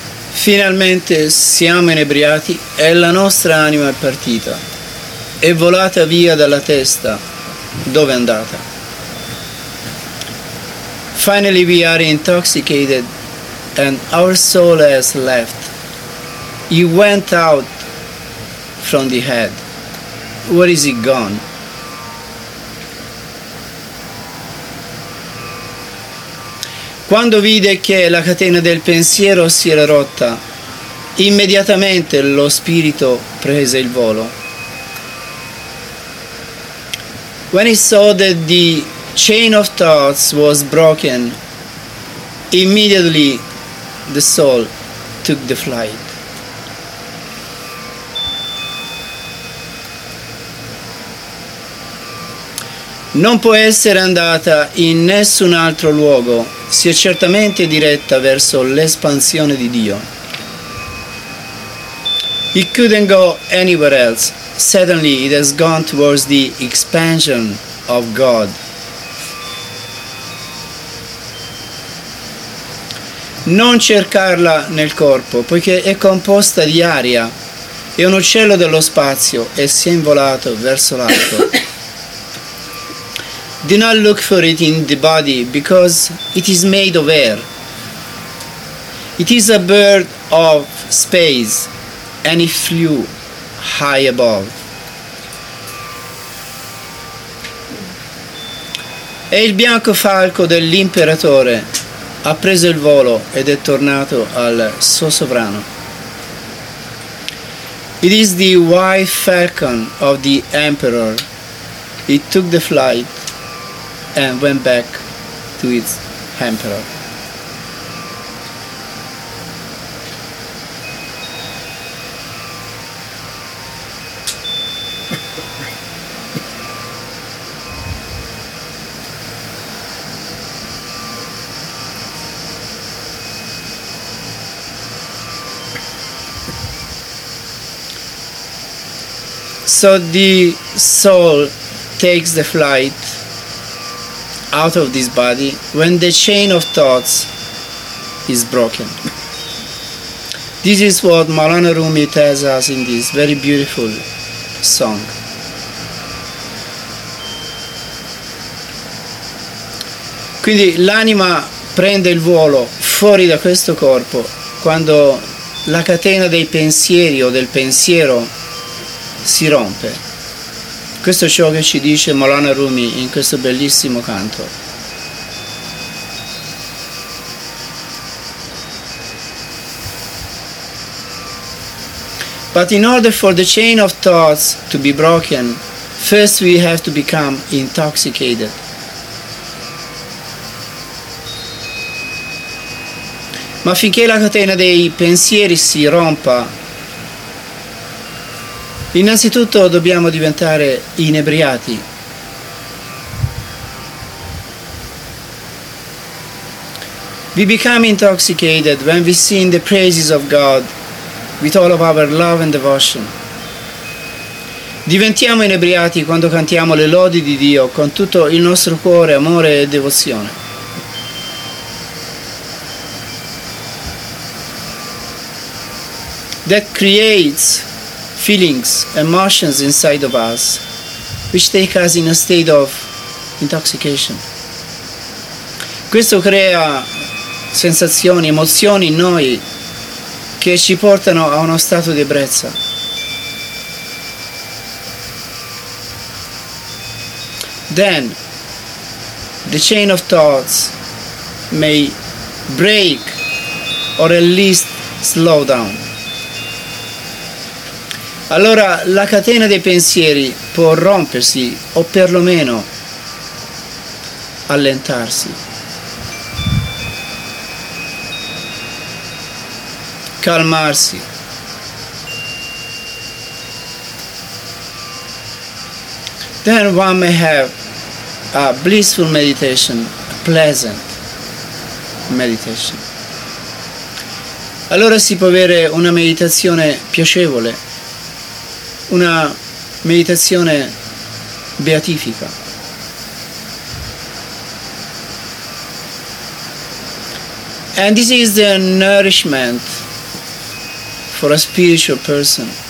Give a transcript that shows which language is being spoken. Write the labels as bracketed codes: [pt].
[it] Finalmente siamo inebriati e la nostra anima è partita, è volata via dalla testa. Dove è andata? [en] Finally we are intoxicated and our soul has left. It went out from the head. Where is it gone? [it] Quando vide che la catena del pensiero si era rotta, immediatamente lo spirito prese il volo. [en] When he saw that the chain of thoughts was broken, immediately the soul took the flight. [it] Non può essere andata in nessun altro luogo, si è certamente diretta verso l'espansione di Dio. [en] It couldn't go anywhere else. Suddenly it has gone towards the expansion of God. [it] Non cercarla nel corpo, poiché è composta di aria, è un uccello dello spazio e si è involato verso l'alto. [en] Do not look for it in the body, because it is made of air. It is a bird of space, and it flew high above. [it] E il bianco falco dell'imperatore ha preso il volo ed è tornato al suo sovrano. [en] It is the white falcon of the emperor. It took the flight and went back to its emperor. So the soul takes the flight out of this body when the chain of thoughts is broken. This is what Maulana Rumi tells us in this very beautiful song. [it] Quindi l'anima prende il volo fuori da questo corpo quando la catena dei pensieri o del pensiero si rompe. Questo è ciò che ci dice Maulana Rumi in questo bellissimo canto. [en] But in order for the chain of thoughts to be broken, first we have to become intoxicated. [it] Ma finché la catena dei pensieri si rompa, innanzitutto dobbiamo diventare inebriati. [en] We become intoxicated when we sing the praises of God with all of our love and devotion. [it] Diventiamo inebriati quando cantiamo le lodi di Dio con tutto il nostro cuore, amore e devozione. [en] That creates feelings, emotions inside of us, which take us in a state of intoxication. [it] Questo crea sensazioni, emozioni in noi che ci portano a uno stato di ebbrezza. [en] Then the chain of thoughts may break or at least slow down. [it] Allora la catena dei pensieri può rompersi o perlomeno allentarsi. Calmarsi. [en] Then one may have a blissful meditation, a pleasant meditation. [it] Allora si può avere una meditazione piacevole, una meditazione beatifica. [en] And this is the nourishment for a spiritual person.